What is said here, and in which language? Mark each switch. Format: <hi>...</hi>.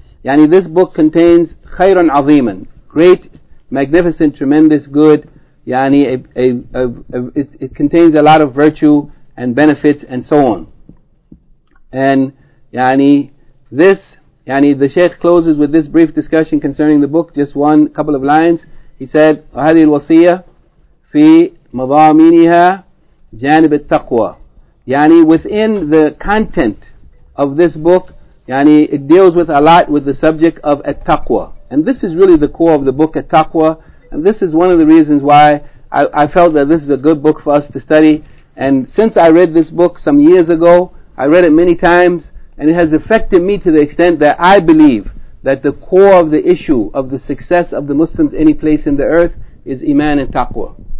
<en>Yani this book contains khayran azeeman, great, magnificent, tremendous good. Yani it contains a lot of virtue and benefits and so on. And yani this يعني the Shaykh closes with this brief discussion concerning the book, just one couple of lines. He said,</en> <ar>وهذه الوصية في مضامينها جانب التقوى.</ar> <en>يعني within the content of this book, يعني it deals with a lot with the subject of التقوى. And this is really the core of the book, التقوى. And this is one of the reasons why I felt that this is a good book for us to study. And since I read this book some years ago, I read it many times, and it has affected me to the extent that I believe that the core of the issue of the success of the Muslims any place in the earth is Iman and Taqwa.</en>